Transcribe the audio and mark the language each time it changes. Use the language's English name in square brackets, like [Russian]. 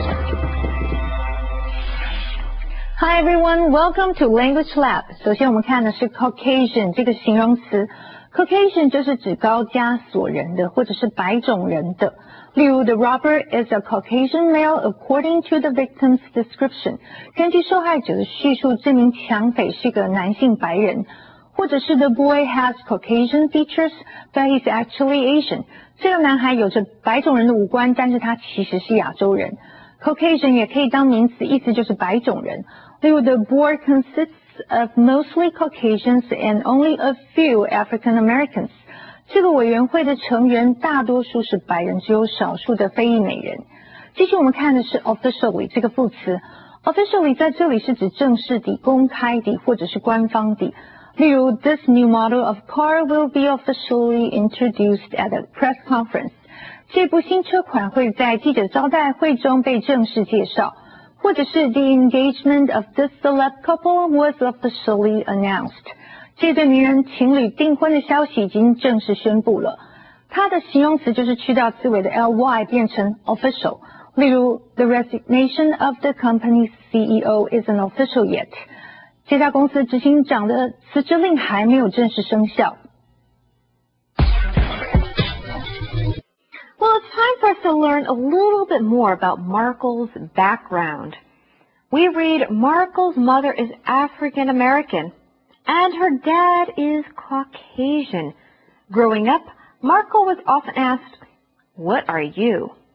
[English] Hi everyone, welcome to Language Lab. [Chinese] 首先我们看的是 Caucasian 这个形容词。Caucasian 就是指高加索人的或者是白种人的。 [English] 例如 The robber is a Caucasian male according to the victim's description. [Chinese] 根据受害者的叙述，这名抢匪是个男性白人。 [English] 或者是 The boy has Caucasian features, but he's actually Asian. [Chinese] 这个男孩有着白种人的五官，但是他其实是亚洲人。 Caucasian 也可以当名词，意思就是白种人。 [English] 例如 The boy consists of mostly Caucasians and only a few African Americans. [Chinese] 这个委员会的成员大多数是白人，只有少数的非裔美人。继续我们看的是 officially 这个副词。Officially 在这里是指正式的、公开的或者是官方的。 [English] 例如 This new model of car will be officially introduced at a press conference. [Chinese] 这部新车款会在记者招待会中被正式介绍，或者是 [English] The engagement of this celeb couple was officially announced. [Chinese] 这对名人情侣订婚的消息已经正式宣布了。它的形容词就是去掉词尾的 ly 变成 official. [English] 例如 The resignation of the company's CEO isn't official yet. [Chinese] 这家公司执行长的辞职令还没有正式生效。 [English] Well, it's time for us to learn a little bit more about Markle's background. We read, Markle's mother is African-American, and her dad is Caucasian. Growing up, Markle was often asked, what are you?